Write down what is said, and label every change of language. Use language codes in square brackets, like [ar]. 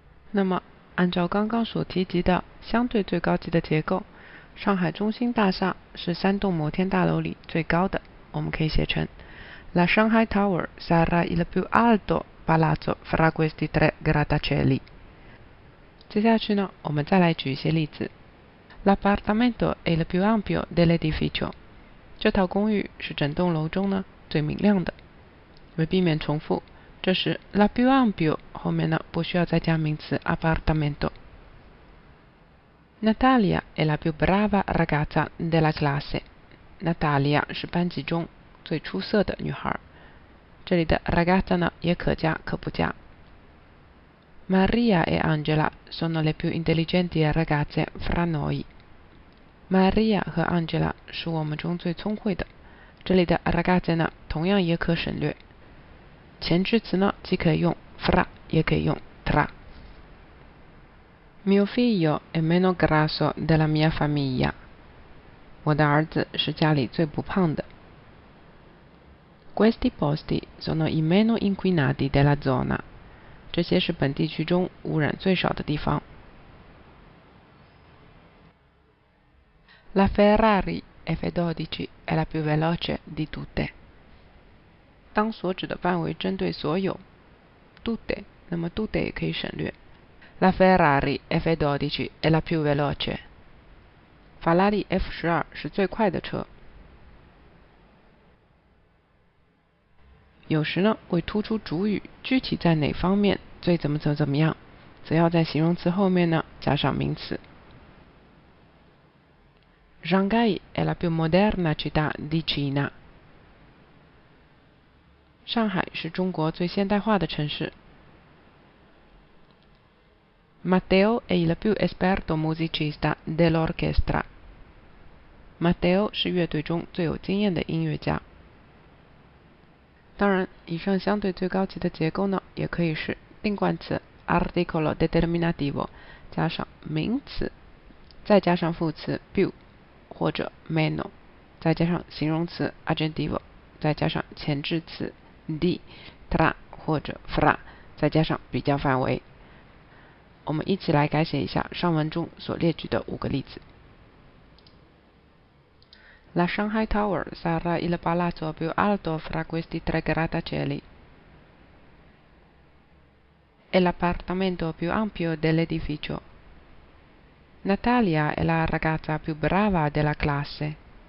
[zh] 那么按照刚刚所提及的相对最高级的结构，上海中心大厦是三栋摩天大楼里最高的，我们可以写成 [it] La Shanghai Tower sarà il più alto palazzo fra questi tre grattacieli。 [zh] 接下去呢，我们再来举一些例子。 [it] L'appartamento è il più ampio dell'edificio。 [zh] 这套公寓是整栋楼中呢最明亮的。为避免重复，这时 la più ampio 后面呢不需要再加名词 appartamento。 [it] Natalia è la più brava ragazza della classe。Natalia [zh] 是班级中最出色的女孩。这里的 ragazza 呢也可加可不加。 [it] Maria e Angela sono le più intelligenti ragazze fra noi. [zh] Maria 和 Angela 是我们中最聪慧的。这里的 ragazze 呢同样也可省略。前置词呢既可以用 fra 也可以用 tra。 [it] Mio figlio è meno grasso della mia famiglia. [zh] 我的儿子是家里最不胖的。 [it] Questi posti sono i meno inquinati della zona. [zh] 这些是本地区中污染最少的地方。 [it] La Ferrari F12 è la più veloce di tutte. [zh] 当所指的范围针对所有 tutte, 那么 tutte 也可以省略。 [it] La Ferrari F12 è la più veloce. [zh] 法拉利 F12 是最快的车。有时呢，为突出主语具体在哪方面最怎么怎么怎么样，则要在形容词后面呢加上名词。 [it] Shanghai è la più moderna città di Cina. [zh] 上海是中国最现代化的城市。 [it] Matteo è il più esperto musicista dell'orchestra. [zh] Matteo 是乐队中最有经验的音乐家。当然，以上相对最高级的结构呢，也可以是定冠词 articolo determinativo 加上名词，再加上副词 più 或者 meno， 再加上形容词 aggettivo， 再加上前置词 di tra 或者 fra， 再加上比较范围。我们一起来改写一下上文中所列举的五个例子。 [it] La Shanghai Tower sarà il palazzo più alto fra questi tre grattacieli. È l'appartamento più ampio dell'edificio. Natalia è la ragazza più brava della classe.